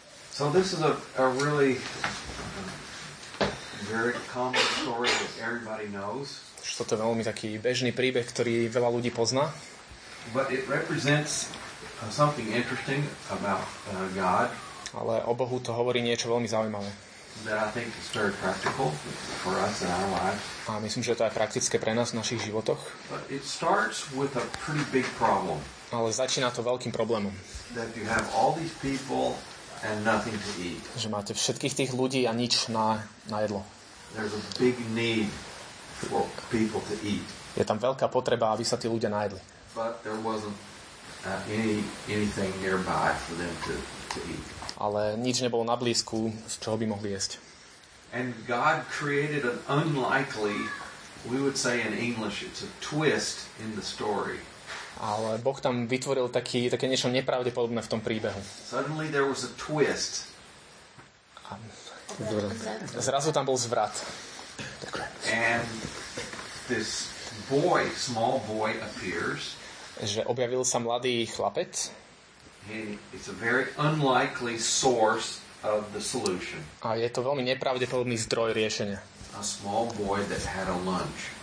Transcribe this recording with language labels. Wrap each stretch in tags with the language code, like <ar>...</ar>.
<en>So this is a really very common story that everybody knows.</en> <sk>Toto je veľmi taký bežný príbeh, ktorý veľa ľudí pozná.</sk> <en>But it represents something interesting about God.</en> <sk>Ale o Bohu to hovorí niečo veľmi zaujímavé.</sk> <en>That I think is very practical for us in our lives.</en> <sk>A myslím, že to je praktické pre nás v našich životoch.</sk> <en>But it starts with a pretty big problem.</en> <sk>Ale začína to veľkým problémom.</sk> <en>That you have all these people and nothing to eat.</en> <sk>Že máte všetkých tých ľudí a nič na jedlo.</sk> <en>There's a big need for people to eat.</en> <sk>Je tam veľká potreba, aby sa tí ľudia najedli.</sk> <en>But there wasn't anything nearby for them to eat.</en> <sk>Ale nič nebolo na blízku, z čoho by mohli jesť.</sk> <en>And God created an unlikely, we would say in English, it's a twist in the story.</en> <sk>Ale Boh tam vytvoril také niečo nepravdepodobné v tom príbehu.</sk> <en>Suddenly there was a twist.</en> <sk>Zrazu tam bol zvrat.</sk> <en>And this boy, small boy appears.</en> <sk>Že objavil sa mladý chlapec.</sk> <en>It's a very unlikely source of the solution.</en> <sk>A je to veľmi nepravdepodobný zdroj riešenia.</sk> <en>A small boy that had a lunch.</en>